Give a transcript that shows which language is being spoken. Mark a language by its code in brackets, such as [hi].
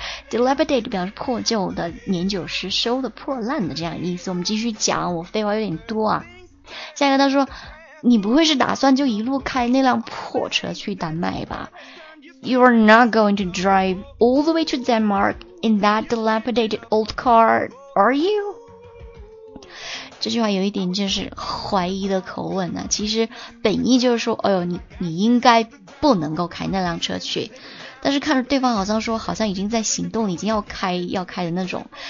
[zh] Dilapidate 表示破旧的，年久失修的，破烂的，这样意思。我们继续讲，我废话有点多啊。下一个他说，你不会是打算就一路开那辆破车去丹麦吧？ [en] You're not going to drive all the way to Denmark in that dilapidated old car, are you? [zh] 这句话有一点就是怀疑的口吻啊，其实本意就是说，哎呦，你应该不能够开那辆车去，但是看着对方好像说好像已经在行动，已经要开的那种。